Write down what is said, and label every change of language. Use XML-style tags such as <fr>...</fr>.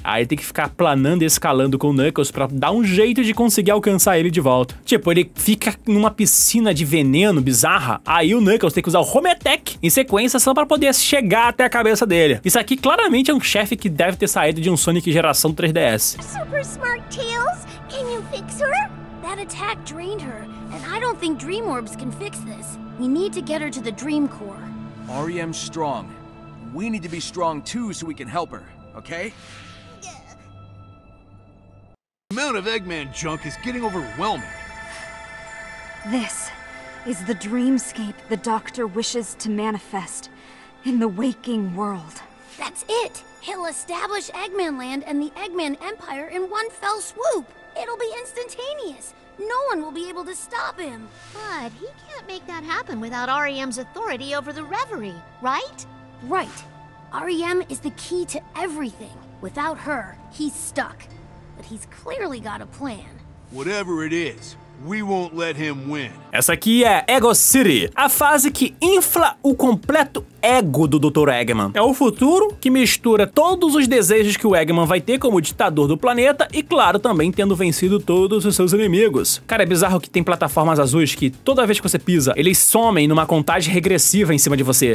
<pt>Aí tem que ficar planando e escalando com o Knuckles pra dar um jeito de conseguir alcançar ele de volta. Tipo, ele fica numa piscina de veneno bizarra, aí o Knuckles tem que usar o Hometech em sequência só pra poder chegar até a cabeça dele. Isso aqui, claramente, é um chefe que deve ter saído de um Sonic geração 3DS.</pt> <en>Super smart Tails, can you fix her? That attack drained her, and I don't think Dream Orbs can fix this. We need to get her to the Dream Core. REM's strong. We need to be strong too so we can help her, okay? The amount of Eggman junk is getting overwhelming. This is the dreamscape the Doctor wishes to manifest in the waking world. That's it! He'll establish Eggman Land and the Eggman Empire in one fell swoop! It'll be instantaneous! No one will be able to stop him! But he can't make that happen without REM's authority over the Reverie, right? Right. REM is the key to everything. Without her, he's stuck. But he's clearly got a plan. Whatever it is, we won't let him win.</en> <pt>Essa aqui é Ego City, a fase que infla o completo ego do Dr. Eggman. É o futuro que mistura todos os desejos que o Eggman vai ter como ditador do planeta e, claro, também tendo vencido todos os seus inimigos. Cara, é bizarro que tem plataformas azuis que toda vez que você pisa, eles somem numa contagem regressiva em cima de você.</pt>